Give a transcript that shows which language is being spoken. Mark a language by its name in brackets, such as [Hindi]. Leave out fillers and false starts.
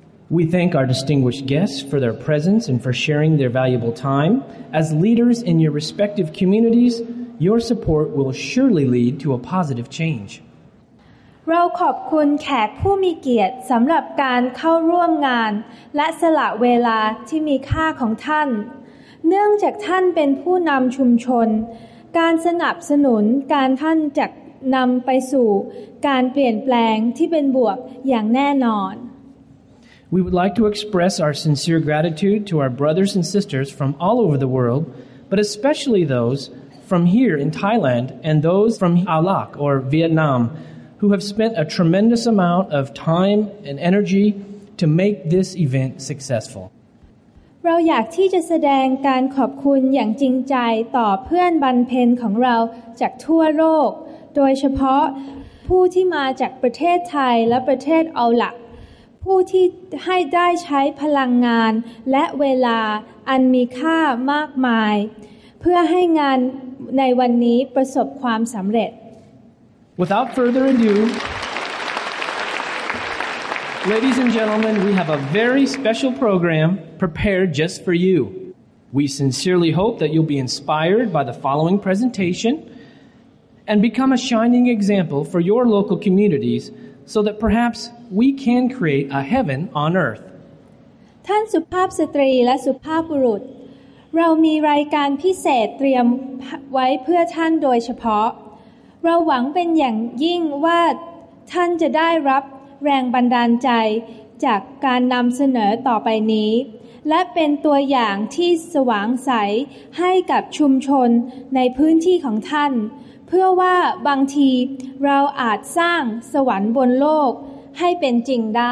[English] We thank our distinguished guests for their presence and for sharing their valuable time. As leaders in your respective communities, your support will surely lead to a positive change. [Thai] เราขอบคุณแขกผู้มีเกียรติสำหรับการเข้าร่วมงานและสละเวลาที่มีค่าของท่านเนื่องจากท่านเป็นผู้นำชุมชนการสนับสนุนการท่านจะนำไปสู่การเปลี่ยนแปลงที่เป็นบวกอย่างแน่นอน [English] We would like to express our sincere gratitude to our brothers and sisters from all over the world, but especially those from here in Thailand and those from Aulac or Vietnam who have spent a tremendous amount of time and energy to make this event successful. [Thai] เราอยากที่จะแสดงการขอบคุณอย่างจริงใจต่อเพื่อนบรรเพ็ญของเราจากทั่วโลกโดยเฉพาะผู้ที่มาจากประเทศไทยและประเทศอัลละผู้ที่ให้ได้ใช้พลังงานและเวลาอันมีค่ามากมายเพื่อให้งานในวันนี้ประสบความสำเร็จ [English] Without further ado Ladies and gentlemen, we have a very special programprepared just for you. We sincerely hope that you'll be inspired by the following presentation and become a shining example for your local communities so that perhaps we can create a heaven on earth. [Thai] ท่านสุภาพสตรีและสุภาพบุรุษเรามีรายการพิเศษเตรียมไว้เพื่อท่านโดยเฉพาะเราหวังเป็นอย่างยิ่งว่าท่านจะได้รับแรงบันดาลใจ จากการนำเสนอต่อไปนี้และเป็นตัวอย่างที่สว่างใสให้กับชุมชนในพื้นที่ของท่านเพื่อว่าบางทีเราอาจสร้างสวรรค์บนโลกให้เป็นจริงได